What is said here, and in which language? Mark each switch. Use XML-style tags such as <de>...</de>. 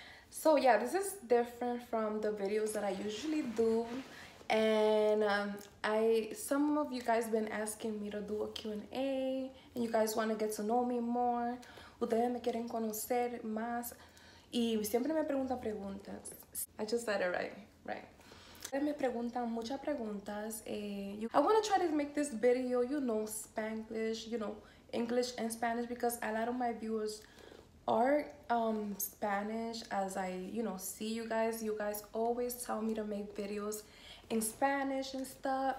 <en>So yeah, this is different from the videos that I usually do, and some of you guys been asking me to do a Q&A, and you guys want to get to know me more.</en> <es>Ustedes me quieren conocer más y siempre me preguntan preguntas.</es> <en>I just said it right.</en> <es>Me preguntan muchas preguntas.</es> <en>I want to try to make this video, you know, Spanglish, you know, English and Spanish, because a lot of my viewers are Spanish. As I, you know, see you guys always tell me to make videos in Spanish and stuff.</en>